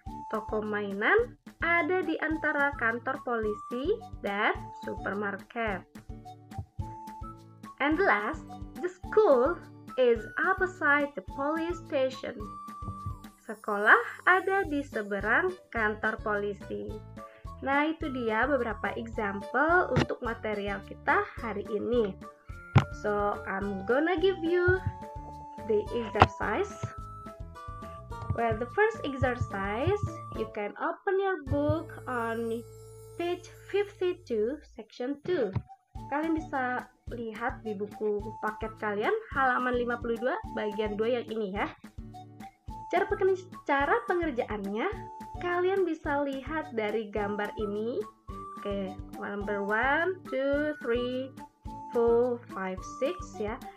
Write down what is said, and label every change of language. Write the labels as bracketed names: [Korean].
[Indonesian] Toko mainan ada di antara kantor polisi dan supermarket. [English] And last, the school is opposite the police station. [Indonesian] Sekolah ada di seberang kantor polisi. Nah, itu dia beberapa example untuk material kita hari ini. [English] So, I'm gonna give you the exercise. Well, the first exercise, you can open your book on page 52, section 2. [Indonesian] Kalian bisa lihat di buku paket kalian, halaman 52, bagian 2 yang ini ya. Cara pengerjaannya, kalian bisa lihat dari gambar ini. [English] Oke, number 1, 2, 3, 4, 5, 6 ya.